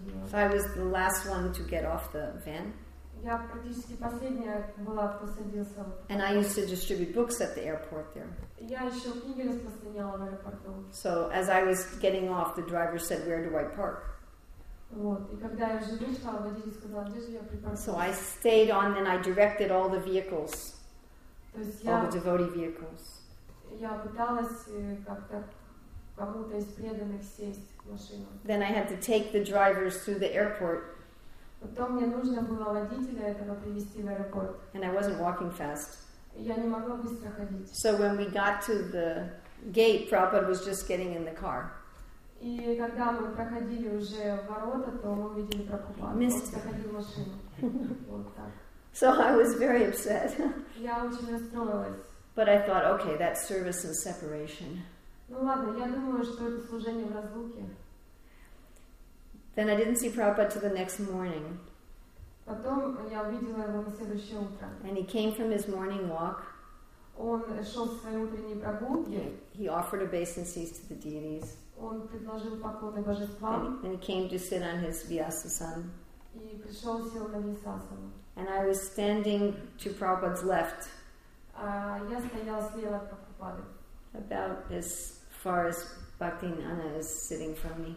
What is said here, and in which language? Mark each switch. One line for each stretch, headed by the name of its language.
English: So I was the last one to get off the van.
Russian: Я практически последняя была, кто садился.
English: And I used to distribute books at the airport there.
Russian: Я еще книги распространяла в аэропорту.
English: So as I was getting off, the driver said, "Where do I park?"
Russian: Вот. И когда я уже вышла, водитель сказал, где же я припаркую.
English: So I stayed on and I directed all the vehicles.
Russian: То есть
English: all the devotee vehicles.
Russian: Я пыталась как-то кому-то из преданных сесть в машину.
English: Then I had to take the drivers through the airport.
Russian: Потом мне нужно было водителя этого привести в аэропорт.
English: And I wasn't walking fast.
Russian: Я не могла быстро ходить.
English: So when we got to the gate, Prabhupada was just getting in the car.
Russian: И когда мы проходили уже ворота, то мы увидели Прабхупаду. Проходил машину.
English: So I was very upset.
Russian: Я очень расстроилась.
English: But I thought, okay, that's service and separation.
Russian: Ну ладно, я думаю, что это служение в разлуке.
English: Then I didn't see Prabhupada till the next morning.
Russian: Потом я увидела его на следующее утро.
English: And he came from his morning walk.
Russian: Он шел со своей утренней прогулки.
English: He offered obeisances to the deities.
Russian: Он предложил поклоны божествам.
English: And he came to sit on his Vyasasana.
Russian: И пришел сел на Vyasasana.
English: And I was standing to Prabhupada's left.
Russian: Я стояла слева от Прабхупады.
English: About as far as Bhaktinana is sitting from me.